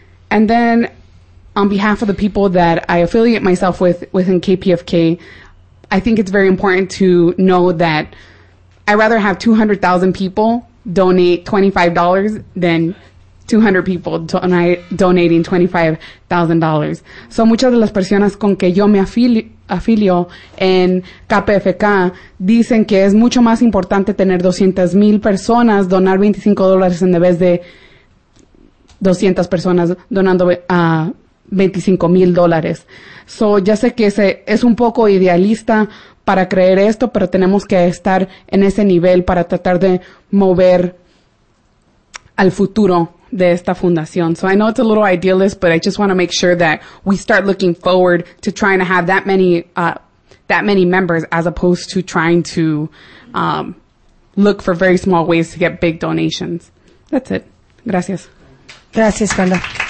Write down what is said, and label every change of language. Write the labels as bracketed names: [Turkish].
[English] And then on behalf of the people that I affiliate myself with within KPFK, I think it's very important to know that I'd rather have 200,000 people donate $25 than 200 people donating $25,000. [Spanish] So muchas de las personas con que yo me afilio en KPFK dicen que es mucho más importante tener 200,000 personas donar $25 en vez de 200 personas donando a $25,000. So ya sé que ese es un poco idealista para creer esto, pero tenemos que estar en ese nivel para tratar de mover al futuro de esta fundación. [English] So I know it's a little idealist, but I just want to make sure that we start looking forward to trying to have that many members, as opposed to trying to look for very small ways to get big donations. That's it. Gracias. [Spanish] Gracias, Brenda.